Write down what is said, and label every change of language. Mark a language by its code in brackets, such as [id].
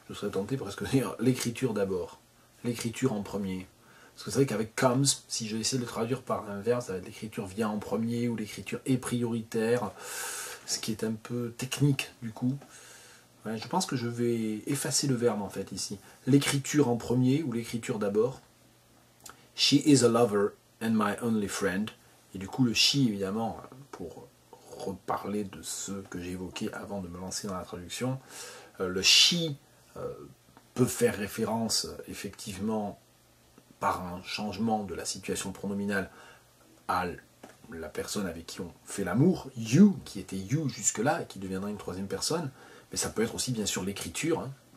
[fr] Je serais tenté presque de dire l'écriture d'abord. L'écriture en premier. Parce que c'est vrai qu'avec comes, si je vais essayer de le traduire par l'inverse, ça va être l'écriture vient en premier ou l'écriture est prioritaire. Ce qui est un peu technique du coup. Ouais, je pense que je vais effacer le verbe en fait ici. L'écriture en premier ou l'écriture d'abord. [en] She is a lover and my only friend. [fr] Et du coup le she évidemment, pour reparler de ce que j'ai évoqué avant de me lancer dans la traduction. Le she peut faire référence effectivement par un changement de la situation pronominale à la personne avec qui on fait l'amour, you, qui était you jusque-là et qui deviendrait une troisième personne, mais ça peut être aussi bien sûr l'écriture,